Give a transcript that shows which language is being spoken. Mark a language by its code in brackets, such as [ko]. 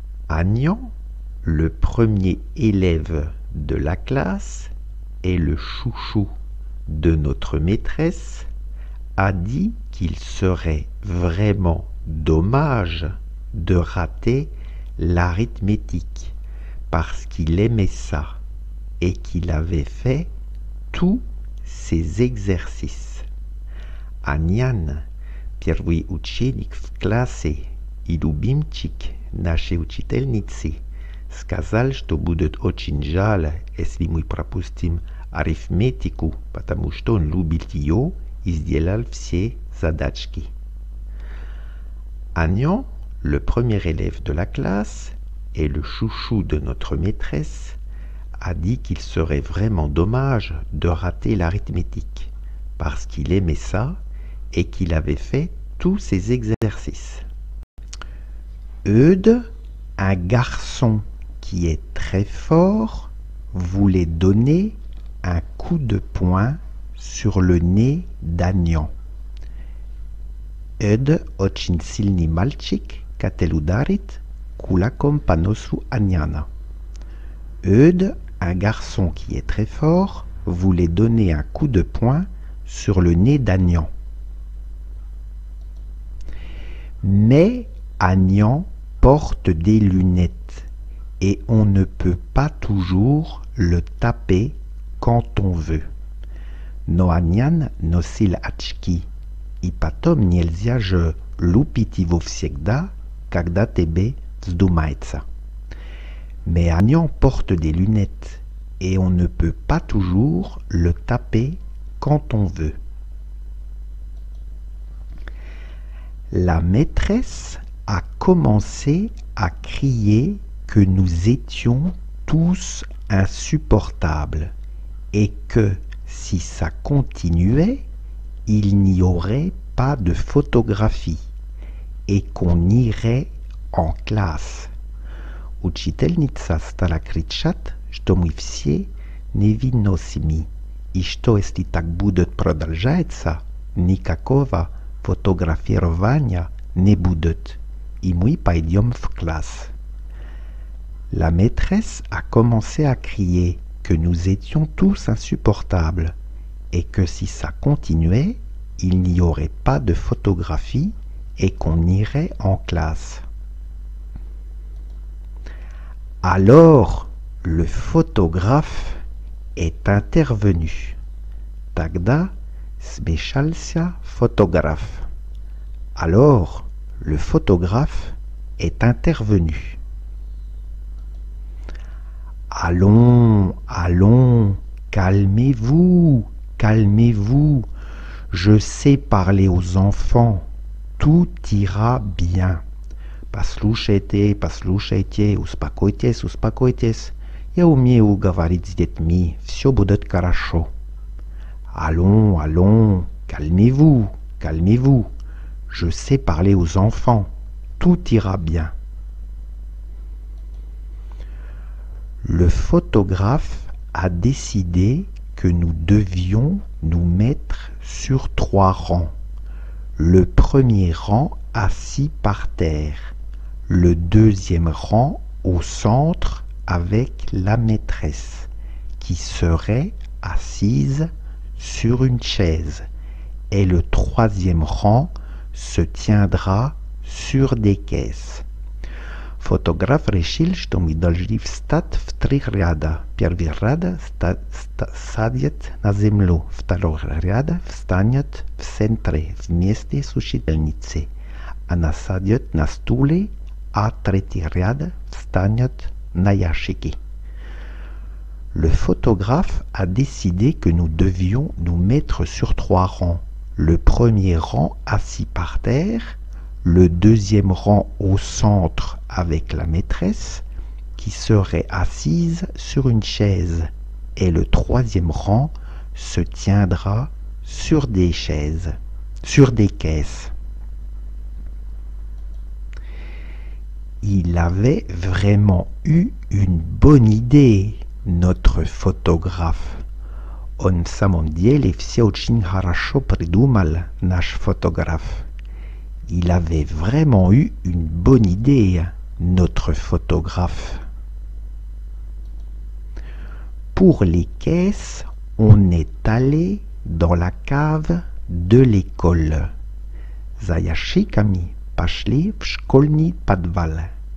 [fr] Agnan, le premier élève de la classe et le chouchou de notre maîtresse, a dit qu'il serait vraiment dommage de rater l'arithmétique parce qu'il aimait ça et qu'il avait fait tous ses exercices. [ru] Agnan, первый ученик в классе и любимчик нашей учительницы, сказал, что будет очень жаль, если мы пропустим арифметику, потому что он любит ее и сделал все задачки. [fr] Agnan, le premier élève de la classe et le chouchou de notre maîtresse, a dit qu'il serait vraiment dommage de rater l'arithmétique parce qu'il aimait ça et qu'il avait fait tous ses exercices. Eudes, un garçon qui est très fort, voulait donner un coup de poing sur le nez d'Agnan. [ru] Eudes, очень сильный мальчик, хотел ударить кулаком по носу Аняна. [fr] Eudes, un garçon qui est très fort, voulait donner un coup de poing sur le nez d'Agnan. Mais Agnan porte des lunettes et on ne peut pas toujours le taper quand on veut. [ru] Но Agnan носил очки, и потом нельзя же лупить его всегда, когда тебе вздумается. [fr] Mais Agnan porte des lunettes et on ne peut pas toujours le taper quand on veut. La maîtresse a commencé à crier que nous étions tous insupportables et que si ça continuait, il n'y aurait pas de photographie et qu'on irait en classe. [ru] Учительница стала кричать, что мы все невыносимы, и что если так будет продолжаться, никакого фотографирования не будет, и мы пойдем в класс. [fr] La maîtresse a commencé à crier que nous étions tous insupportables et que si ça continuait, il n'y aurait pas de photographie et qu'on irait en classe. Alors, le photographe est intervenu. [ru] Тогда смешался фотограф. [fr] Alors, le photographe est intervenu. Allons, allons, calmez-vous, calmez-vous. Je sais parler aux enfants. Tout ira bien. [ru] Послушайте, послушайте, успокойтесь, успокойтесь. Я умею говорить с детьми, все будет хорошо. [fr] Allons, allons, calmez-vous, calmez-vous. Je sais parler aux enfants, tout ira bien. Le photographe a décidé que nous devions nous mettre sur trois rangs. Le premier rang assis par terre. Le deuxième rang au centre avec la maîtresse qui serait assise sur une chaise et le troisième rang se tiendra sur des caisses. [ru] Фотограф решил, что мы должны встать в три ряда. Первый ряд садят на землю, второй ряд встанет в центре вместе с учительницей. Она садит на стуле, а третий ряд встанет на ящики. [fr] Le photographe a décidé que nous devions nous mettre sur trois rangs. Le premier rang assis par terre, le deuxième rang au centre avec la maîtresse qui serait assise sur une chaise et le troisième rang se tiendra sur des chaises, sur des caisses. Il avait vraiment eu une bonne idée, notre photographe. [ru] Он в самом деле все очень хорошо придумал, наш фотограф. [fr] Il avait vraiment eu une bonne idée, notre photographe. Pour les caisses, on est allé dans la cave de l'école. [ru] Zayashi kami pashli vshkolni padval.